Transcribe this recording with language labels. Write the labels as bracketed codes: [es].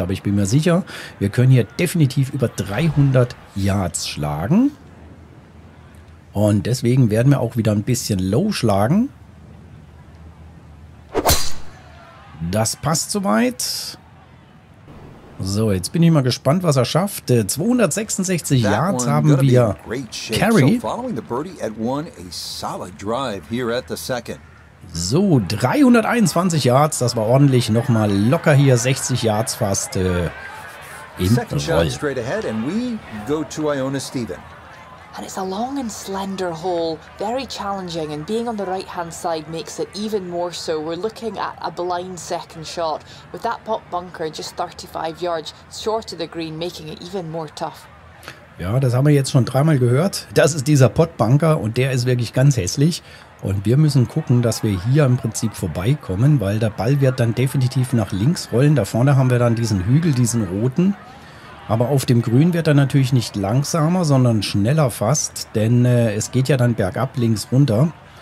[de] Aber ich bin mir sicher, wir können hier definitiv über 300 Yards schlagen. Und deswegen werden wir auch wieder ein bisschen low schlagen. Das passt soweit. So, jetzt bin ich mal gespannt, was er schafft. 266 Yards haben wir. Carry. So, [en] following the birdie at one, a solid drive here at the second. [de] So, 321 Yards, das war ordentlich. Nochmal locker hier, 60 Yards fast im Roll. [en] Second shot straight ahead and we go to Iona Stephen. And it's a long and slender hole, very challenging, and being on the right-hand side makes it even more so. We're looking at a blind second shot, with that pop bunker just 35 yards short of the green, making it even more tough. [de] Ja, das haben wir jetzt schon dreimal gehört. Das ist dieser Pot-Bunker und der ist wirklich ganz hässlich. Und wir müssen gucken, dass wir hier im Prinzip vorbeikommen, weil der Ball wird dann definitiv nach links rollen. Da vorne haben wir dann diesen Hügel, diesen roten. Aber auf dem Grün wird er natürlich nicht langsamer, sondern schneller fast, denn es geht ja dann bergab links runter.